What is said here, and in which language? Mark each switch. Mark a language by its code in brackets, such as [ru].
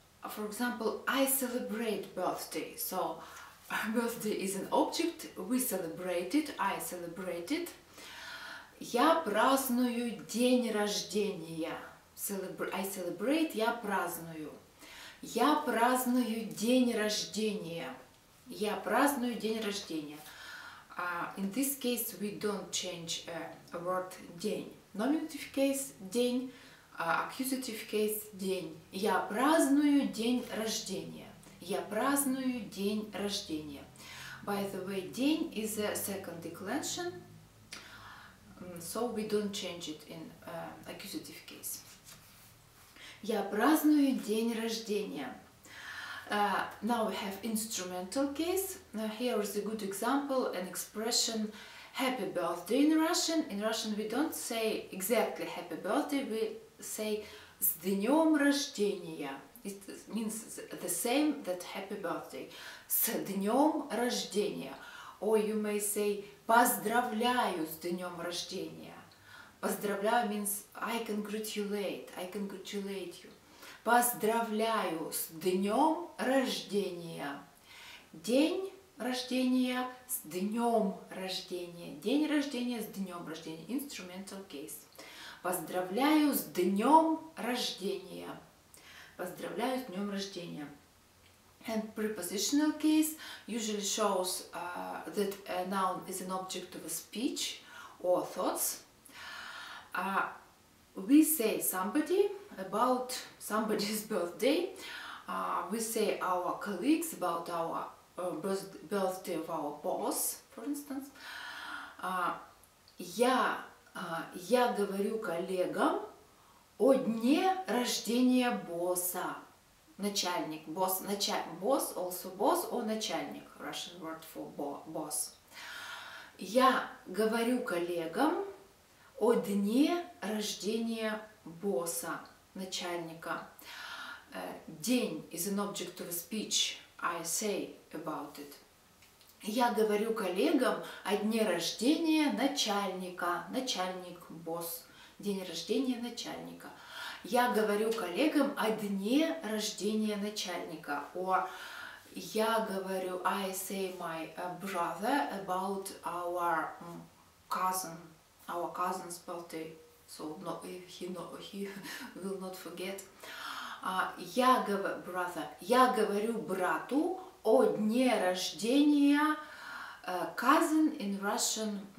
[en] For example, I celebrate birthday. So, birthday is an object, we celebrate it, I celebrate it. [ru] Я праздную день рождения. [en] I celebrate, [ru] я праздную. Я праздную день рождения. Я праздную день рождения. [en] In this case, we don't change a word день. Nominative case – день. Accusative case – день. [ru] Я праздную день рождения. Я праздную день рождения. [en] By the way, день is a second declension, so we don't change it in accusative case. [ru] Я праздную день рождения. [en] Now we have instrumental case. Here is a good example, an expression, happy birthday in Russian. In Russian we don't say exactly happy birthday, we say [ru] с днём рождения. [en] It means the same that happy birthday. [ru] С днём рождения. [en] Or you may say [ru] поздравляю с днём рождения. [en] Поздравляю means I congratulate you. [ru] Поздравляю с днем рождения. День рождения с днем рождения. День рождения с днем рождения. [en] Instrumental case. [ru] Поздравляю с днем рождения. Поздравляю с днем рождения. [en] And prepositional case usually shows that a noun is an object of a speech or thoughts. we say somebody about somebody's birthday. We say our colleagues about our birthday of our boss, for instance. [ru] Я говорю коллегам о дне рождения босса. Начальник, босс, босс, also босс, о начальник, [en] Russian word for boss. [ru] Я говорю коллегам о дне рождения босса, начальника. [en] День is an object of a speech, I say about it. [ru] Я говорю коллегам о дне рождения начальника, начальник, босс, день рождения начальника. Я говорю коллегам о дне рождения начальника. [en] Or [ru] я говорю, [en] I say my brother about our cousin, our cousin's birthday. So no, he will not forget. [ru] Я говорю брату о дне рождения [en] cousin in Russian.